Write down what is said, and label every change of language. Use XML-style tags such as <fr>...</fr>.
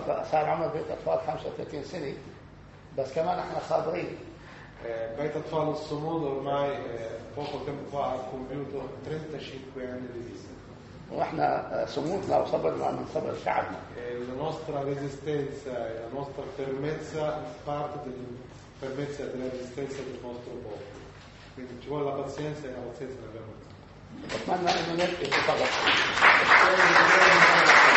<ar>صار عمر بيت أطفال 35 سنة بس كمان احنا صابرين.</ar> <it>بيت أطفال الصمود ormai poco tempo fa compiuto 35 anni di vita.</it> <ar>واحنا صمودنا وصبرنا من صبر شعبنا.</ar> <it>La nostra resistenza e la nostra fermezza parte della fermezza della resistenza del nostro popolo. Quindi ci vuole la pazienza e la pazienza l'abbiamo.</it> <ar>أتمنى أن نلتقي في فلسطين.</ar>